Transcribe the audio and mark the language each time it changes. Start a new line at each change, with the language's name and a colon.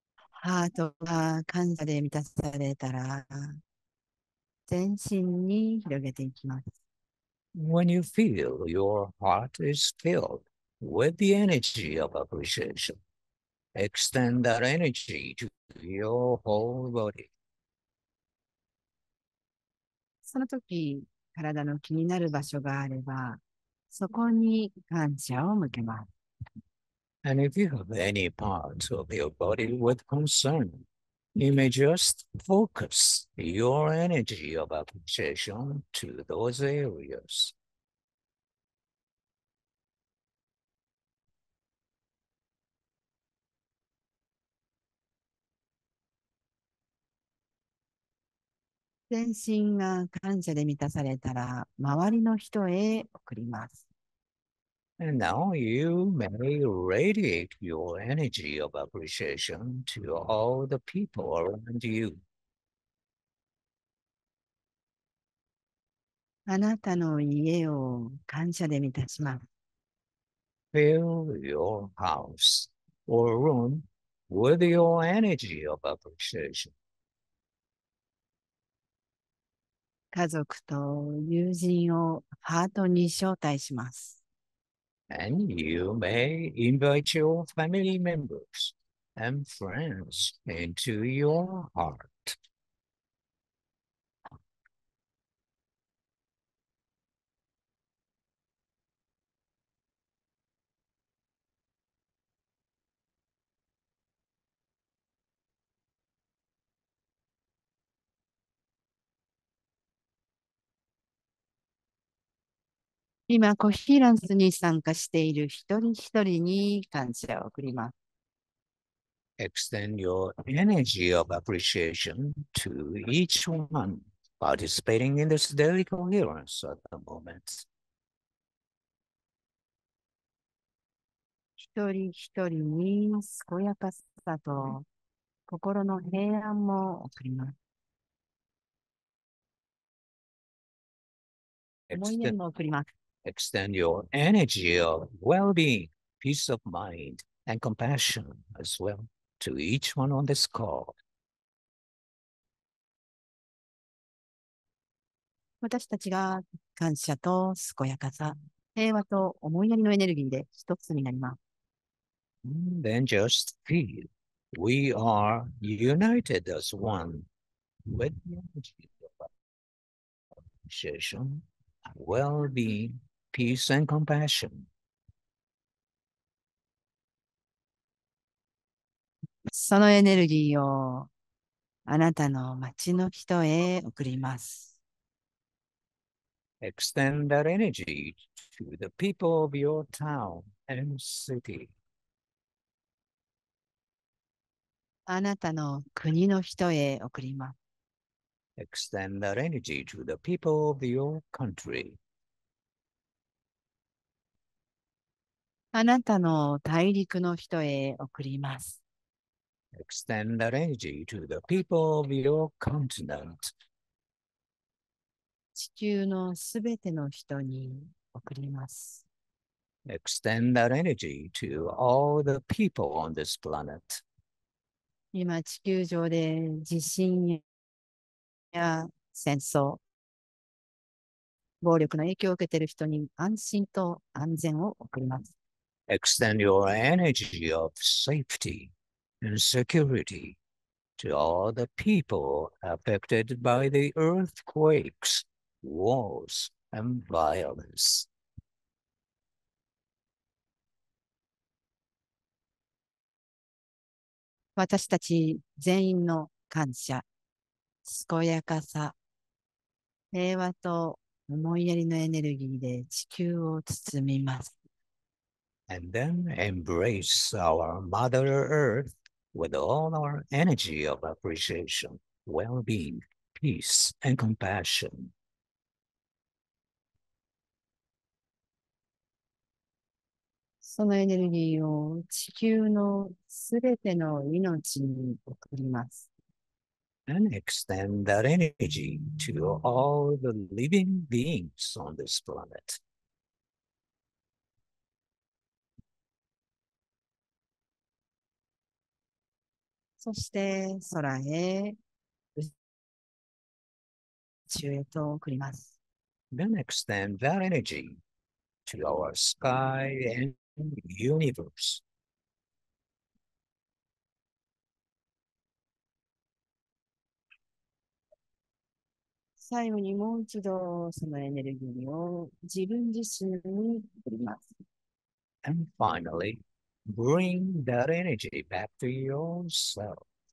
Japanese: ハートが感謝で満たされたら、全身に広げていきます。
English: When you feel your heart is filled with the energy of appreciation, extend that energy to your whole body.
Japanese: その時、体の気になる場所があれば、そこに感謝を向けます。
English: And if you have any parts of your body with concern, you may just focus your energy of appreciation to those areas.
Japanese: 全身が感謝で満たされたら、周りの人へ送ります。
English: And now you may radiate your energy of appreciation to all the people around you.
Japanese: あなたの家を感謝で満たします。
English: Fill your house or room with your energy of appreciation.
Japanese: 家族と友人をハートに招待します。
English: And you may invite your family members and friends into your heart.
Japanese: コヒーランスに参加している一人一人に感謝を送ります。
English: Extend your energy of appreciation to each one participating in this daily coherence at the moment.
Japanese: 一人一人に健やかさと心の平安も送ります。思い出も送ります。
English: Extend your energy of well-being, peace of mind, and compassion as well. To each one on this call.
Japanese: 私たちが感謝と健やかさ、平和と思いやりのエネルギーで一つになります。
English: And then just feel we are united as one with the energy of appreciation, well-being, peace, and compassion.
Japanese: そのエネルギーをあなたの街の人へ送ります。
English: Extend that energy to the people of your town and city.
Japanese: あなたの国の人へ送ります。
English: Extend that energy to the people of your country.
Japanese: あなたの大陸の人へ送ります。
English: Extend that energy to the people of your continent.
Japanese: 地球のすべての人に送ります。
English: Extend that energy to all the people on this planet.
Japanese: 今、地球上で地震や戦争、暴力の影響を受けている人に安心と安全を送ります。
English: Extend your energy of safety and security to all the people affected by the earthquakes, wars, and violence.
Japanese: 私たち全員の感謝、健やかさ、平和と思いやりのエネルギーで地球を包みます。
English: And then embrace our Mother Earth with all our energy of appreciation, well-being, peace, and compassion.
Japanese: そのエネルギーを地球のすべての命に送ります。
English: And extend that energy to all the living beings on this planet.
Japanese: そして空へ、宇宙へと送ります。
English: Then extend that energy to our sky and universe.
Japanese: 最後にもう一度そのエネルギーを自分自身に送ります。
English: And finally, bring that energy back to yourself.